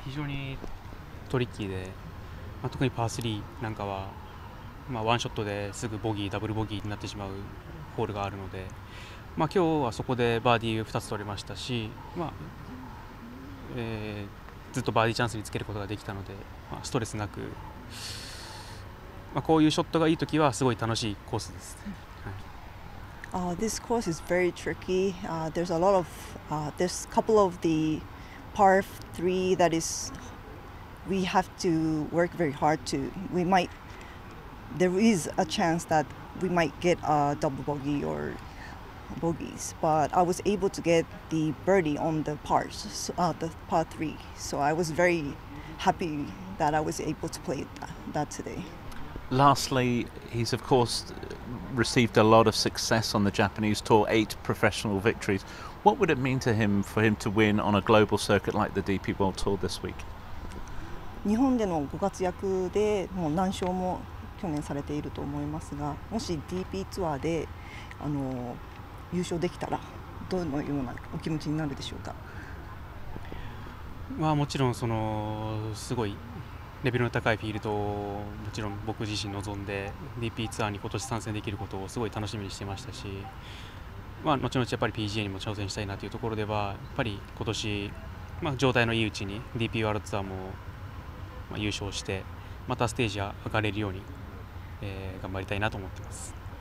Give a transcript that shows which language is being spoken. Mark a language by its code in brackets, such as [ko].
[ja] 非常にトリッキーで、まあ、特にパー3なんかは、まあ、ワンショットですぐボギー、ダブルボギーになってしまうホールがあるので、まあ、今日はそこでバーディーを2つ取りましたし、まあずっとバーディーチャンスにつけることができたので、まあ、ストレスなく、まあ、こういうショットがいいときはすごい楽しいコースです、はい [en] This course is very tricky. There's a lot of, there's a couple of the par 3 that is, we have to work very hard to, we might, there is a chance that we might get a double bogey orbogeys, but I was able to get the birdie on the pars, the par 3, so I was very happy that I was able to play that today. Lastly, he's of course received a lot of success on the Japanese tour, 8 professional victories. What would it mean to him for him to win on a global circuit like the DP World Tour this week? [ja] 日本での5月役でもう何勝も去年されていると思いますが、もし DP ツアーで優勝できたらどのようなお気持ちになるでしょうか。まあもちろんそのすごいレベルの高いフィールドをもちろん僕自身望んで DP ツアーに今年参戦できることをすごい楽しみにしてましたし、まあ後々やっぱり PGA にも挑戦したいなというところではやっぱり今年、まあ、状態のいいうちに DP ワールドツアーも優勝してまたステージ上がれるように、頑張りたいなと思っています。